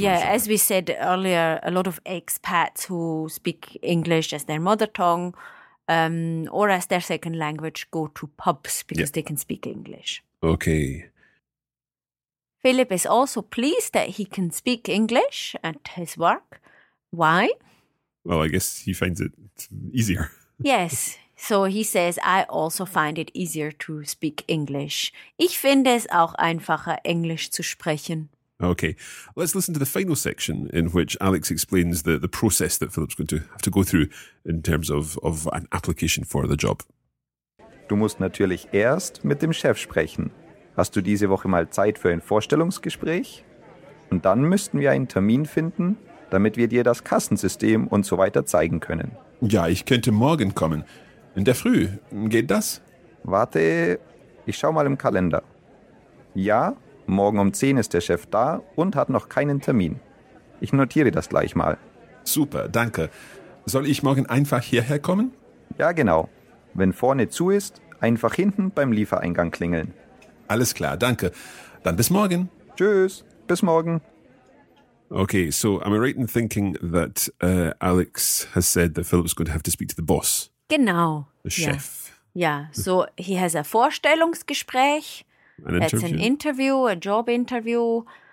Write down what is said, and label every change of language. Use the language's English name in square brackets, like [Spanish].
[English] Yeah, as we said earlier, a lot of expats who speak English as their mother tongue or as their second language go to pubs because they can speak English. Okay. Philip is also pleased that he can speak English at his work. Why? Well, I guess he finds it easier. Yes. So he says, I also find it easier to speak English. [German] Ich finde es auch einfacher, Englisch zu sprechen. [English] Okay. Let's listen to the final section in which Alex explains the process that Philip's going to have to go through in terms of an application for the job. [German] Du musst natürlich erst mit dem Chef sprechen. Hast du diese Woche mal Zeit für ein Vorstellungsgespräch? Und dann müssten wir einen Termin finden, damit wir dir das Kassensystem und so weiter zeigen können. Ja, ich könnte morgen kommen. In der Früh. Geht das? Warte, ich schau mal im Kalender. Ja, morgen um 10 ist der Chef da und hat noch keinen Termin. Ich notiere das gleich mal. Super, danke. Soll ich morgen einfach hierher kommen? Ja, genau. Wenn vorne zu ist, einfach hinten beim Liefereingang klingeln. Alles klar, danke. Dann bis morgen. Tschüss, bis morgen. [English] Okay, so am I right in thinking that Alex has said that Philip's going to have to speak to the boss? [German] Genau. [English] The chef. Yeah, so he has a Vorstellungsgespräch. That's a job interview.